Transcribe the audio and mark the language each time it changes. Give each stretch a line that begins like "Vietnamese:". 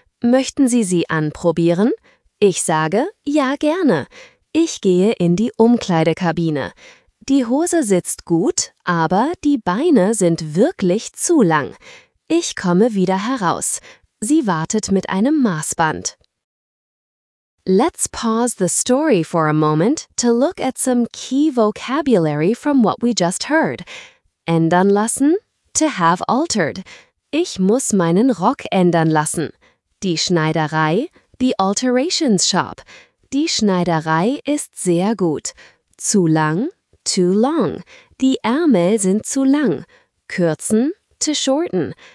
German: Möchten Sie sie anprobieren? Ich sage, ja, gerne. Ich gehe in die Umkleidekabine. Die Hose sitzt gut, aber die Beine sind wirklich zu lang. Ich komme wieder heraus. Sie wartet mit einem Maßband.
English: Let's pause the story for a moment to look at some key vocabulary from what we just heard.
German: Ändern lassen,
English: to have altered.
German: Ich muss meinen Rock ändern lassen. Die Schneiderei,
English: the alterations shop.
German: Die Schneiderei ist sehr gut. Zu lang,
English: too long.
German: Die Ärmel sind zu lang. Kürzen,
English: to shorten.